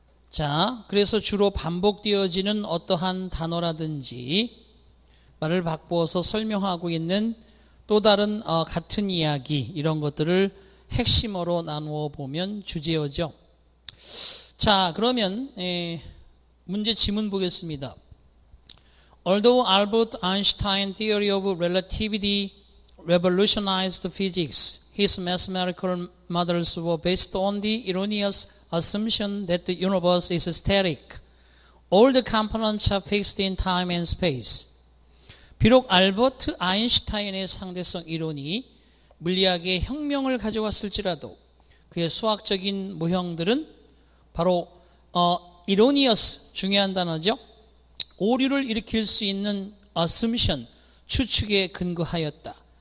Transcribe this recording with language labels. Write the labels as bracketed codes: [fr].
[ko] 자, 그래서 주로 반복되어지는 어떠한 단어라든지 말을 바꾸어서 설명하고 있는 또 다른 같은 이야기 이런 것들을 핵심으로 나누어 보면 주제어죠. 자, 그러면 문제 지문 보겠습니다. [en] Although Albert Einstein's theory of relativity revolutionized physics, his mathematical models were based on the erroneous assumption that the universe is static. All the components are fixed in time and space. [ko] 비록 알버트 아인슈타인의 상대성 이론이 물리학의 혁명을 가져왔을지라도 그의 수학적인 모형들은 바로 이로니어스 중요한 단어죠. 오류를 일으킬 수 있는 assumption 추측에 근거하였다.